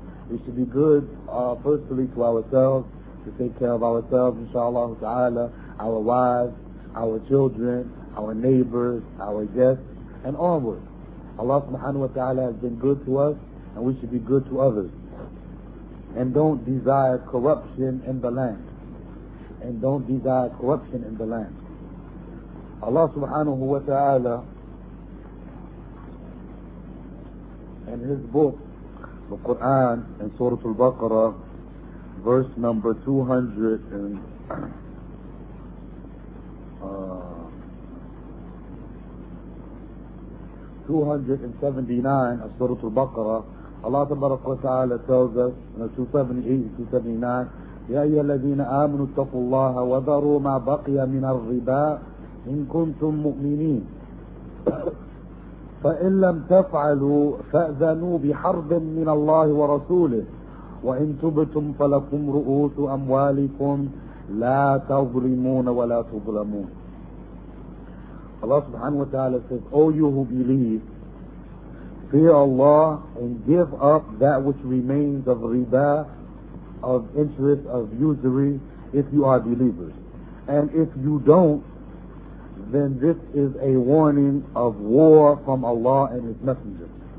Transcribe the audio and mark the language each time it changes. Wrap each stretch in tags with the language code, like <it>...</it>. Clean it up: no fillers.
<en>We should be good, firstly to ourselves, to take care of ourselves, inshaAllah ta'ala, our wives, our children, our neighbors, our guests, and onwards. Allah subhanahu wa ta'ala has been good to us, and we should be good to others. And don't desire corruption in the land. And don't desire corruption in the land. Allah subhanahu wa ta'ala and his book, the Quran and Surah Al-Baqarah, verse number 279 of Surah Al-Baqarah, Allah tabarak wa ta'ala tells us in 278-279,</en> <ar>يَا أَيَّا الَّذِينَ آمَنُوا اتَّقُوا اللَّهَ وَذَرُوا مَا بَقِيَ مِنَ الرِّبَا إِن كُنْتُم مُؤْمِنِينَ فَإِن لَمْ تَفْعَلُوا فَأْذَنُوا بِحَرْبٍ مِنَ اللَّهِ وَرَسُولِهِ وَإِن تُبْتُمْ فَلَكُمْ رُؤُوسُ أَمْوَالِكُمْ لَا تَظْلِمُونَ وَلَا تُظْلَمُونَ.</ar> <en>Allah subhanahu wa ta'ala says, O you who believe, fear Allah and give up that which remains of riba, of interest, of usury, if you are believers. And if you don't, then this is a warning of war from Allah and His Messenger.</en>